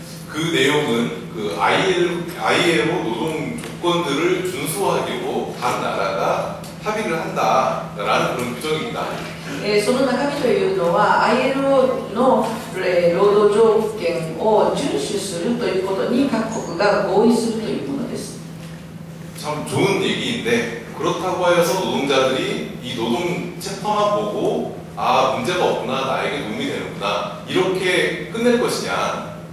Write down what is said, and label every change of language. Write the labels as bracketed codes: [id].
[ko] 그 내용은 그 ILO 노동 조건들을 준수하기로 각 나라가 합의를 한다라는 그런 규정입니다. [ja] その中身というのは ILOの労働条件を遵守するということに各国が合意するというものです。 [ko] 참 좋은 얘기인데 그렇다고 해서 노동자들이 이 노동 챕터만 보고 아 문제가 없구나 나에게 도움이 되는구나 이렇게 끝낼 것이냐?